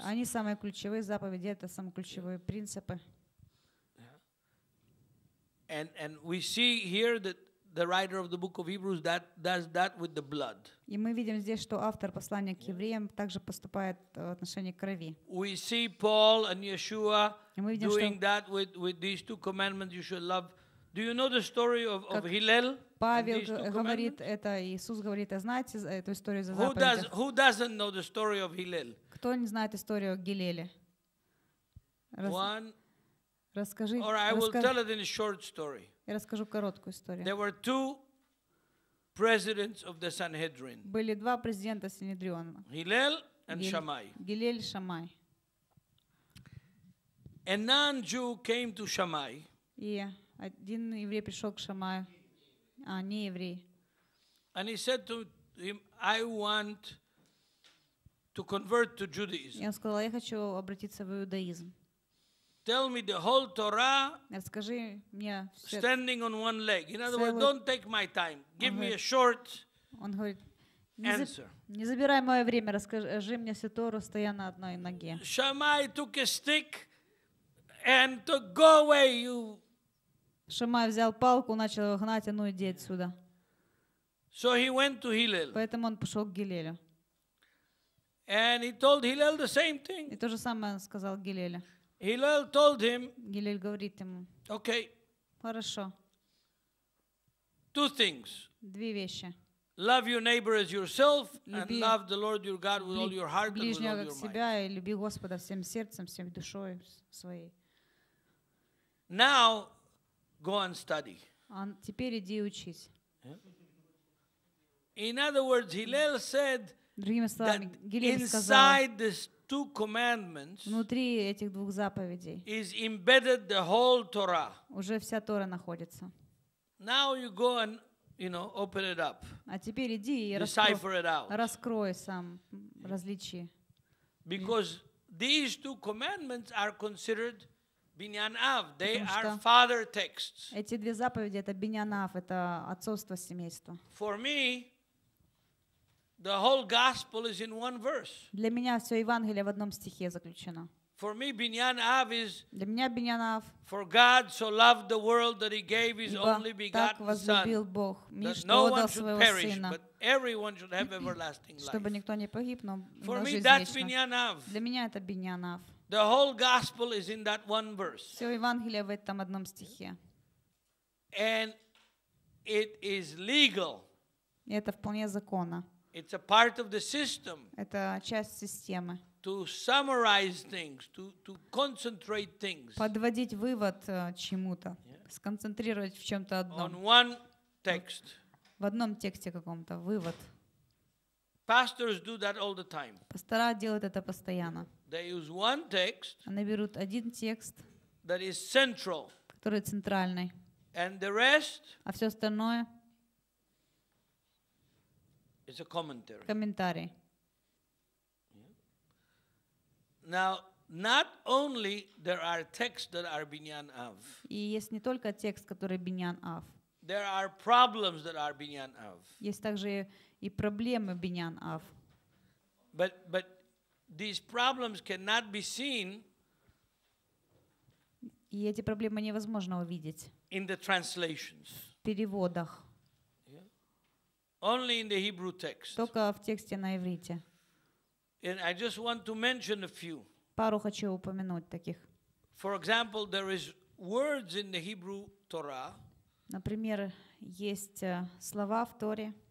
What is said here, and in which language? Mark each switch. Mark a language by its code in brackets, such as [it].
[ru] Они самые ключевые заповеди, это самые ключевые принципы. [en] And we see here that the writer of the book of Hebrews that does that with the blood. [ru] И мы видим здесь, что автор послания к евреям также поступает в отношении крови. [en] We see Paul and Yeshua doing that with these two commandments you should love. Do you know the story of Hillel? [ru] Павел говорит это, Иисус говорит, а знаете эту историю за заповедях? [en] Who doesn't know the story of Hillel? [ru] Кто не знает историю Гиллеля? [en] One. [ru] Расскажи, [en] or I will tell it in a short story. [ru] Я расскажу короткую историю. [en] There were two presidents of the Sanhedrin. [ru] Были два президента Синедриона. [en] Hillel and Shammai. [ru] Гиллель и Шамай. [en] A non-Jew came to Shammai. [ru] И один еврей пришел к Шамаю. А, не еврей. [en] And he said to him, "I want to convert to Judaism." [ru] И он сказал, я хочу обратиться в иудаизм. [en] Tell me the whole Torah. [ru] Скажи мне. [en] Standing on one leg. In other words, don't take my time. Give me a short. [ru] Он говорит. Не забирай мое время. Расскажи мне всю Тору, стоя на одной ноге. [en] Shammai took a stick and to go away, you. [ru] Шимай взял палку, начал его гнать, а ну иди отсюда. [en] So he went to Hillel. [ru] Поэтому он пошел к Гилелю. [en] And he told Hillel the same thing. [ru] И то же самое он сказал Гилелю. [en] Hillel told him. [ru] Гилель говорит ему. [en] Okay. [ru] Хорошо. [en] Two things. [ru] Две вещи. [en] Love your neighbor as yourself, [ru] люби [en] and love the Lord your God with all your heart and with all your [ru] себя, [en] mind. [ru] И люби Господа всем сердцем, всем душой своей. [en] Now, go and study. [ru] Теперь иди учись. [en] In other words, Hillel said [ru] словами, [en] that inside these two commandments [ru] внутри этих двух заповедей [en] is embedded the whole Torah. [ru] Уже вся Тора находится. [en] Now you go and, you know, open it up. [ru] А теперь иди и [en] decipher it out. [ru] Раскрой сам различие. [en] Because these two commandments are considered Binyan Av. They are father texts. [ru] Эти две заповеди это Binyan Av, это отцовство семейства. [en] For me, the whole gospel is in one verse. [ru] Для меня все Евангелие в одном стихе заключено. [en] For me, Binyan Av is. [ru] Для меня Binyan Av. [en] For God so loved the world that He gave His only begotten Son. [ru] Так возлюбил Бог мир, что отдал своего Сына. [en] But everyone should have everlasting life. [ru] Чтобы никто не погиб, но [en] for me, that's Binyan Av. [ru] Для меня это Binyan Av. [en] The whole gospel is in that one verse. [ru] Все Евангелие в этом одном стихе. [en] And it is legal. [ru] И это вполне законно. [en] It's a part of the system. [ru] Это часть системы. [en] To summarize things, to concentrate things. [ru] Подводить вывод чему-то, сконцентрировать в чем-то одном. [en] On one text. [ru] В одном тексте каком-то вывод. [en] Pastors do that all the time. [ru] Пастора делают это постоянно. [en] They use one text. [ru] Они берут один текст. [en] That is central. [ru] Который центральный. [en] And the rest. [ru] А все остальное. [en] It's a commentary. [ru] Комментарий. [en] Now, not only there are texts that are Binyan Av. [ru] И есть не только текст, который Binyan Av. [en] There are problems that are Binyan Av. [ru] Есть также и проблемы Binyan Av. [en] But these problems cannot be seen. [ru] И эти проблемы невозможно увидеть. [en] In the translations. [ru] В переводах. [en] Only in the Hebrew text. [ru] Только в тексте на иврите. [en] And I just want to mention a few. [ru] Пару хочу упомянуть таких. [en] For example, there is words in the Hebrew Torah. [ru] Например, есть слова в Торе.